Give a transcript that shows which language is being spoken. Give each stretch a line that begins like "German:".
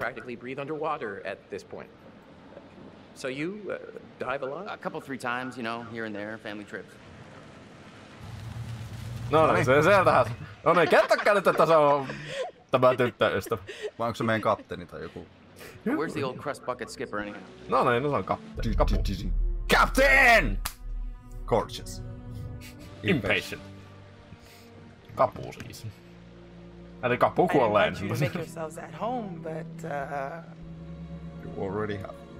English: Practically breathe underwater at this point. So you dive a lot? A couple three times, you know, here and there, family trips.
Finnish: No niin, se sieltähän. No niin, kertokaa nyt, että se on tämä tyttöystävä. Vai onko se meidän kapteeni tai joku?
English: Where's the old crust bucket skipper anyhow?
Finnish: No niin, se on kapteeni. Kapteeni!
English: Captain! Gorgeous.
Finnish: Impatient. Kapu siis. Eli kapu kuolee ensin.
English: You already have.